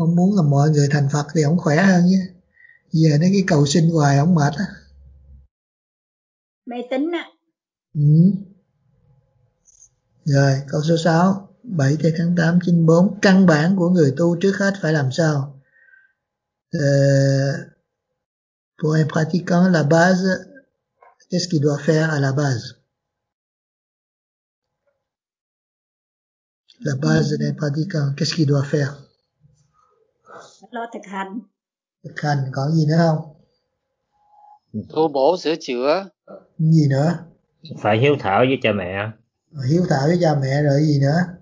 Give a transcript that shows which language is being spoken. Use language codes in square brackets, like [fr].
[vi] Ông muốn là mọi người thành Phật thì ông khỏe hơn nhé. Giờ nó cái cầu xin hoài ông mệt á. Mê tín á. Ừ. Rồi câu số 6. 7 tháng 8, 94. Căn bản của người tu trước hết phải làm sao? [fr] Pour un pratiquant, la base, qu'est-ce qu'il doit faire à la base? La base d'un pratiquant, qu'est-ce qu'il doit faire? [vi] Lo thực hành. Thực hành, có gì nữa không? Tu bổ sửa chữa. Gì nữa? Phải hiếu thảo với cha mẹ. Hiếu thảo với cha mẹ rồi gì nữa?